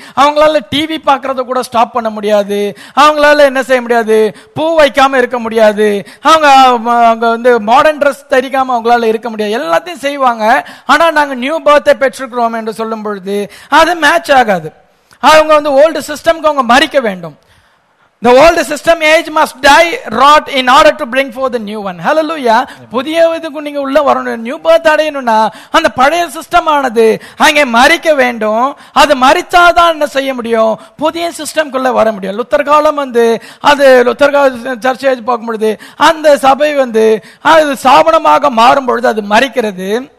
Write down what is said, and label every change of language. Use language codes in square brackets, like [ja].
[ta] அவங்களால டிவி பாக்குறத கூட ஸ்டாப் பண்ண முடியாது, அவங்களால என்ன செய்ய முடியாது, பூ வைக்காம இருக்க முடியாது, அவங்க அவங்க வந்து மாடர்ன் ட்ரெஸ் தரிக்காம அவங்களால இருக்க முடியாது, எல்லாத்தையும் செய்வாங்க. ஆனா நாங்க நியூ பர்த்தை பெற்றிருக்கிறோம் என்று சொல்லும் பொழுது அது மேட்ச் ஆகாது. அவங்க வந்து ஓல்டு சிஸ்டம்க்கு அவங்க மறிக்க வேண்டும். [en] The old system age must die, rot in order to bring forth the new one. Hallelujah. [ta] புதியவதுக்கு நீங்க உள்ள வரணும், நியூ பர்த் அடையணும்னா அந்த பழைய சிஸ்டம் ஆனது அங்கே மறிக்க வேண்டும். அது மறிச்சாதான் என்ன செய்ய முடியும், புதிய சிஸ்டம்குள்ள வர முடியும். லுத்தர் காலம் வந்து அது லுத்தர் கால சர்ச்சை பார்க்கும் பொழுது அந்த சபை வந்து அது சாபனமாக மாறும் பொழுது அது மறிக்கிறது.